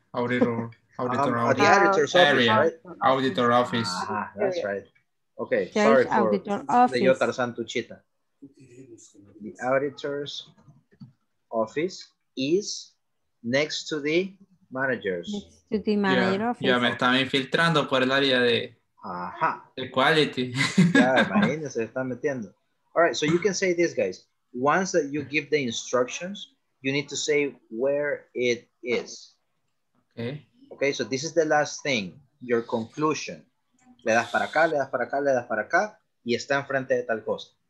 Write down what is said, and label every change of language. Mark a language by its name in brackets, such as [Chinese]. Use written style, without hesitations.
[English] Auditor's office, right? Auditor office. That's right. Okay, sorry for the Yotar Santuchita. The auditor's office is next to the manager's. Next to the manager's office. [Spanish] Ya me están infiltrando por el área de, de quality. Ya, imagínense, se están metiendo. [English] All right, so you can say this, guys. Once that you give the instructions, you need to say where it is. Okay. Okay, so this is the last thing, your conclusion. [Spanish] Le das para acá, le das para acá, le das para acá, y está enfrente de tal cosa.